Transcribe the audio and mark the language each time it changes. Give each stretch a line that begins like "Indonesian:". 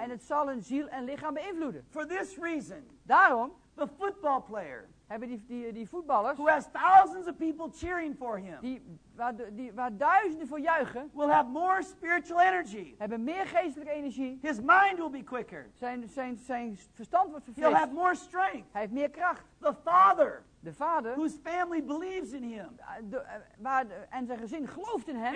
Dutch: En het zal hun ziel en lichaam beïnvloeden.
English: For this reason,
Dutch: daarom,
English: the football player.
Dutch: Hebben die voetballers
English: who has thousands of people cheering for him,
Dutch: waar duizenden voor juichen,
English: will have more spiritual energy.
Dutch: Hebben meer geestelijke energie.
English: His mind will be quicker.
Dutch: Zijn verstand wordt verfrist.
English: He'll have more strength.
Dutch: Hij heeft meer kracht.
English: The father,
Dutch: de vader,
English: whose family believes in him,
Dutch: en zijn gezin gelooft in hem,